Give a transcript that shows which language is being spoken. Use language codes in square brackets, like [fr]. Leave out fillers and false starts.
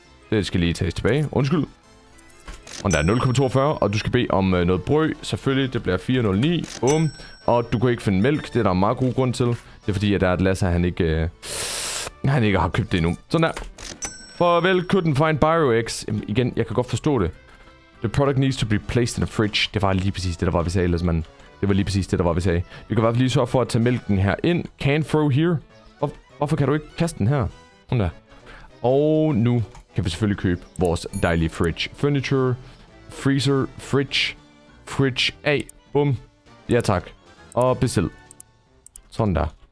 [da] det skal lige tages tilbage. Undskyld. Og der er 0,42, og du skal bede om noget brød. Selvfølgelig, det bliver 4,09. Boom. Og du kan ikke finde mælk, det er der en meget god grund til. Det er fordi, at der er et Lasse, han ikke... han ikke har købt det endnu. Sådan der. Farvel, [en] couldn't find BioX. [da] Igen, jeg kan godt forstå det. [en] The product needs to be placed in a fridge. [da] Det var lige præcis det, der var, vi sagde, ellers man... Det var lige præcis det, der var, vi sagde. Vi kan bare lige sørge for at tage mælken her ind. [en] Can't throw here. [da] Hvorfor kan du ikke kaste den her? Sådan der. Og nu kan vi selvfølgelig købe vores dejlige fridge. [en] Furniture. Freezer. Fridge. Fridge A. [da] Bum. Ja tak. Og bestil. Sådan der.